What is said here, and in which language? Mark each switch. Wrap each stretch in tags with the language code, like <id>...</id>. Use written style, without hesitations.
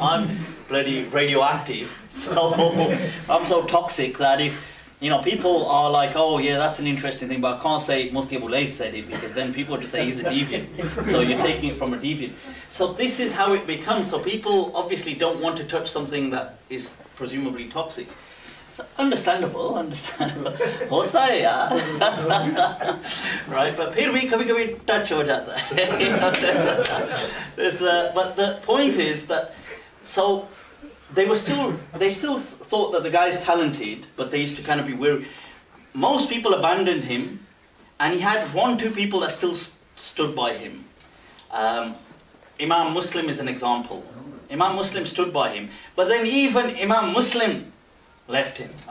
<en>I'm bloody radioactive. So I'm so toxic that if, you know, people are like, oh yeah, that's an interesting thing, but I can't say Mufti Abu Layth said it, because then people just say he's a deviant. So you're taking it from a deviant. So this is how it becomes. So people obviously don't want to touch something that is presumably toxic. Understandable. Right, but</en> <ur>پھر بھی کبھی کبھی touch ہو جاتا ہے.</ur> <en>But the point is that, so they still thought that the guy is talented, but they used to kind of be weary. Most people abandoned him, and he had one, two people that still stood by him. Imam Muslim is an example. Imam Muslim stood by him, but then even Imam Muslim left him.</en>